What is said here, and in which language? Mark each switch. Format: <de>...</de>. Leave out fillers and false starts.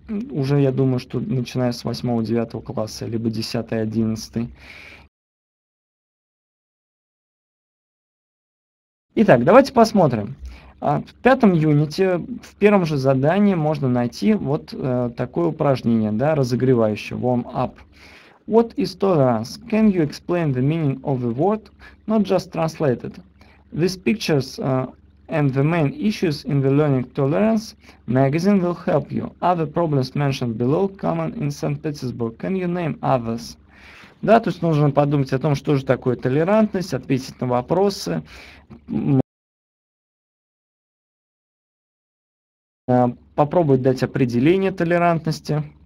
<ru>Уже, я думаю, что начиная с 8-9 класса, либо 10-11. Итак, давайте посмотрим. В пятом юните, в первом же задании, можно найти вот такое упражнение, да, разогревающее, warm-up.</ru> <en>What is tolerance? Can you explain the meaning of the word, not just translated? These pictures... And the main issues in the Learning Tolerance magazine will help you. Other problems mentioned below common in St. Petersburg. Can you name others?</en> <ru>Да, то есть нужно подумать о том, что же такое толерантность, ответить на вопросы, попробовать дать определение толерантности.</ru>